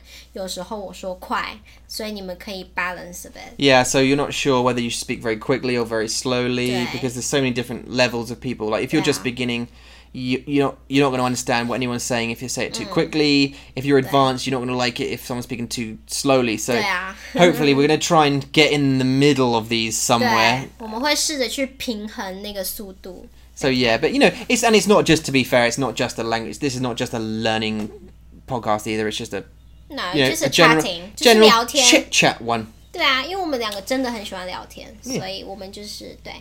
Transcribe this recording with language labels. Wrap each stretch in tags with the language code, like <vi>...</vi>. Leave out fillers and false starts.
<zh>有很多不一样的听众，然后他们的那个等级程度不太一样，所以我不知道我需要说很快还是我需要说很慢，所以我会选，可能有时候我说慢，有时候我说快，所以你们可以</zh> <en>balance a bit. Yeah, so you're not sure whether you speak very quickly or very slowly because there's so many different levels of people. Like if you're just beginning. You're not going to understand what anyone's saying if you say it too quickly. If you're advanced, you're not going to like it if someone's speaking too slowly. So hopefully we're going to try and get in the middle of these somewhere.</en> <zh>我们会试着去平衡那个速度.</zh> <en>So yeah, but you know, it's not just, to be fair, it's not just a language. This is not just a learning podcast either. It's just a general chit-chat one.</en> <zh>对啊，因为我们两个真的很喜欢聊天，所以我们就是</zh>